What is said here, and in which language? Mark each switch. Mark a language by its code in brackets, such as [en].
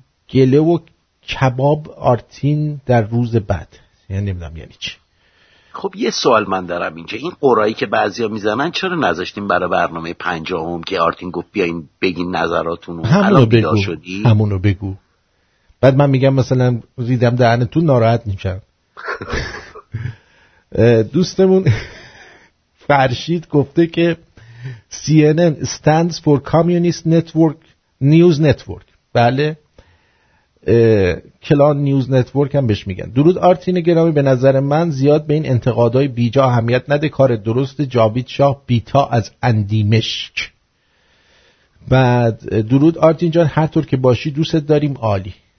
[fa] گله و کباب آرتین در روز بعد، یعنی نمیدونم یعنی چی. خب یه سوال من دارم اینجا، این قرایی که بعضیا میزنن چرا نذاشتیم برای برنامه 50ام که آرتین گفت بیاین بگین نظراتون رو؟ همونو بگو، همونو بگو، بعد من میگم مثلا ریدم دهنتون ناراحت میشم. دوستمون فرشید گفته که [en] CNN stands for Communist Network News Network. [fa] بله، کلان نیوز نتورک هم بهش میگن. درود آرتین گرامی، به نظر من زیاد به این انتقادهای بیجا اهمیت نده، کار درست جاوید شاه بیتا از اندیمشک. بعد درود آرتین جان، هر طور که باشی دوستت داریم، عالی.